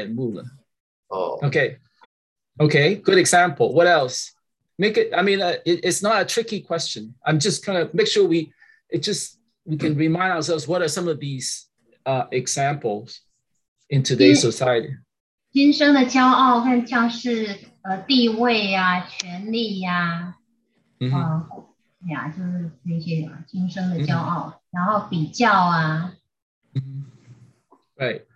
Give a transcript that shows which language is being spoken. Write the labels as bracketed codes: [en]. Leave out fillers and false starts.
[zh] 肉体的情欲很多啊，然后你看到漂亮的女孩，那种，这不就是肉体的情欲吗？其实眼目情欲也是啊。可能是眼目了，那个是看到的是眼目了。哦。Okay, [en] good example. What else? Make it, I mean, it's not a tricky question. I'm just kind of make sure we can remind ourselves what are some of these examples in today's society. [zh] 今生的骄傲和像是地位啊、权力啊，就是那些今生的骄傲，然后比较啊。Right.